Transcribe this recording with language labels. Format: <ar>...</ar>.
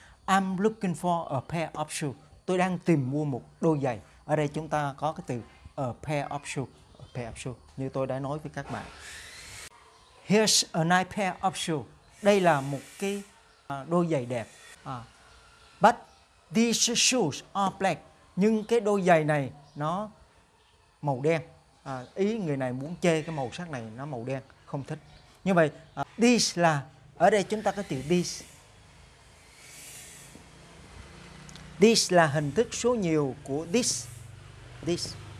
<en>I'm looking for a pair of shoes.</en> <vi>Tôi đang tìm mua một đôi giày. Ở đây chúng ta có cái từ</vi> <en>a pair of shoes. A pair of shoes,</en> <vi>như tôi đã nói với các bạn.</vi> <en>Here's a nice pair of shoes.</en> <vi>Đây là một cái đôi giày đẹp.</vi> <en>But these shoes are black.</en> <vi>Nhưng cái đôi giày này nó màu đen. Ý người này muốn chê cái màu sắc này nó màu đen, không thích. Như vậy, this là, ở đây chúng ta có chữ this. This là hình thức số nhiều của this. This.</vi>